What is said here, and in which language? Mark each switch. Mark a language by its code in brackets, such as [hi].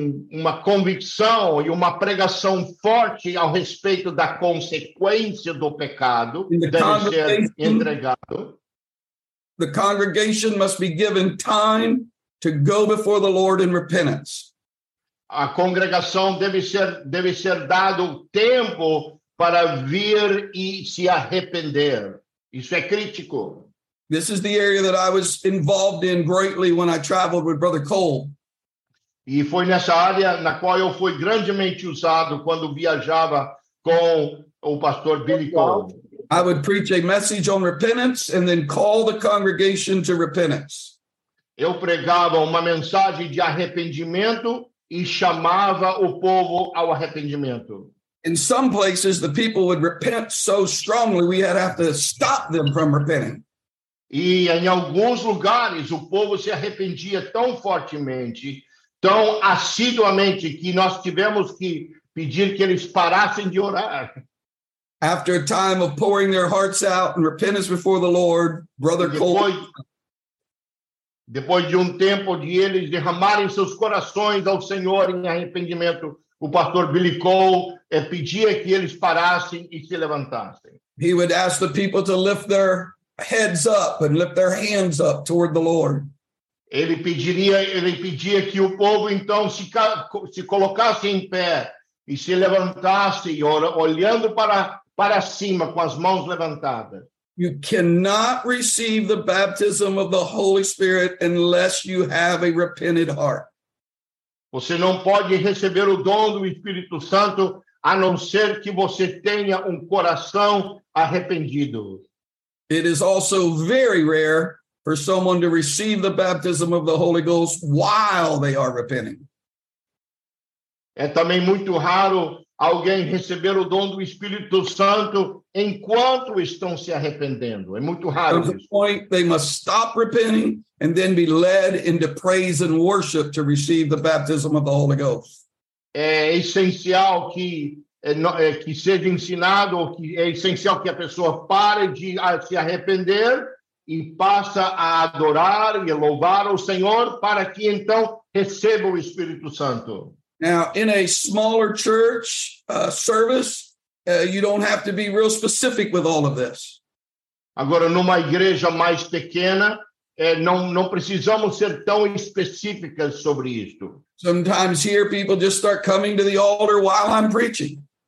[pt] Uma convicção e uma pregação forte ao respeito da consequência do pecado deve ser entregado. [en] The congregation must be given time to go before the Lord in repentance. [pt] A congregação deve ser dado tempo para vir e se arrepender. Isso é crítico. [en] This is the area that I was involved in greatly when I traveled with Brother Cole. [pt] E foi nessa área na qual eu fui grandemente usado quando viajava com o pastor Billy Cole. [en] I would preach a message on repentance and then call the congregation to repentance. [pt] Eu pregava uma mensagem de arrependimento e chamava o povo ao arrependimento. [en] In some places, the people would repent so strongly we had to stop them from repenting. [pt] E em alguns lugares o povo se arrependia tão fortemente, tão assiduamente, que nós tivemos que pedir que eles parassem de orar. [en] After a time of pouring their hearts out in repentance before the Lord, Brother Cole. [pt] Depois de tempo de eles derramarem seus corações ao Senhor em arrependimento, o pastor Billy Cole pedia que eles parassem e se levantassem. [en] He would ask the people to lift their heads up and lift their hands up toward the Lord. [pt] Ele pedia que o povo então se colocasse em pé e se levantasse, olhando para cima com as mãos levantadas. [en] You cannot receive the baptism of the Holy Spirit unless you have a repented heart. [pt] Você não pode receber o dom do Espírito Santo a não ser que você tenha coração arrependido. [en] It is also very rare for someone to receive the baptism of the Holy Ghost while they are repenting. [pt] É também muito raro alguém receber o dom do Espírito Santo enquanto estão se arrependendo. É muito raro isso. [en] The point, they must stop repenting and then be led into praise and worship to receive the baptism of the Holy Ghost. [pt] É essencial que seja ensinado, ou que é essencial que a pessoa pare de se arrepender e passa a adorar e louvar o Senhor para que então receba o Espírito Santo. [en] Now, in a smaller church service, you don't have to be real specific with all of this. [pt] Agora, numa igreja mais pequena, não precisamos ser tão específicas sobre isto. [en] Sometimes here people just start coming to the altar while I'm preaching.